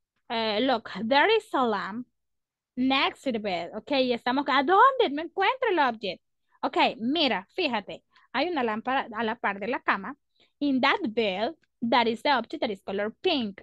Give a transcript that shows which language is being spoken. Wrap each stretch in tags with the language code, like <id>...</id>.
<en>Look, there is a lamp next to the bed.</en> <es>Okay, y estamos, ¿a dónde me encuentro el object? Okay, mira, fíjate, hay una lámpara a la par de la cama.</es> <en>In that bed, that is the object that is color pink.</en>